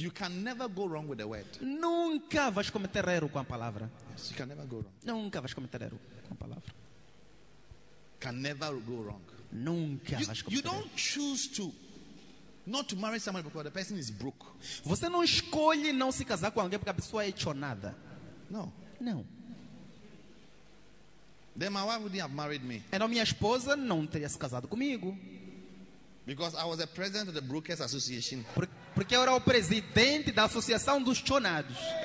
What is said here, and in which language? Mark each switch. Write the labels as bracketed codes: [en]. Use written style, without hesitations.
[en] You can never go wrong with the word. [pt] Nunca vais cometer erro com a palavra. [en] Yes, you can never go wrong. [pt] Nunca vais cometer erro com a palavra. [en] Can never go wrong. [pt] Nunca vais cometer. [en] You don't choose to not to marry somebody because the person is broke. [pt] Você não escolhe não se casar com alguém porque a pessoa é chonada. [en] No. [pt] Não. [en] Then my wife wouldn't have married me. [pt] Então minha esposa não teria se casado comigo. [en] Because I was the president of the Brokers Association. [pt] Porque eu era o presidente da Associação dos Chonados.